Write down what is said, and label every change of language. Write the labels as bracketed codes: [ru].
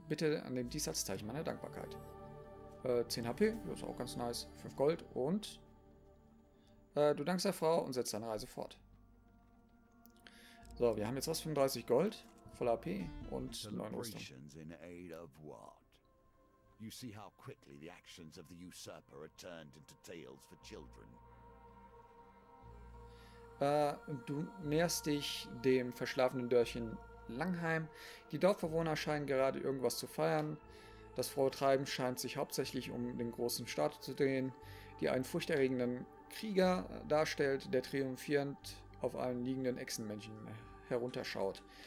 [de] Bitte nimm dies als Zeichen meiner Dankbarkeit. 10 HP. Das ist auch ganz nice. 5 Gold und... du dankst der Frau und setzt deine Reise fort. So, wir haben jetzt was? 35 Gold, voll AP und 9 Rüstung. [en] In aid of what? You see how quickly the actions of the usurper are turned into tales for children. [de] Du näherst dich dem verschlafenen Dörfchen Langheim. Die Dorfbewohner scheinen gerade irgendwas zu feiern. Das frohe Treiben scheint sich hauptsächlich um den großen Staat zu drehen, die einen furchterregenden Krieger darstellt, der triumphierend auf allen liegenden Echsenmännchen herunterschaut.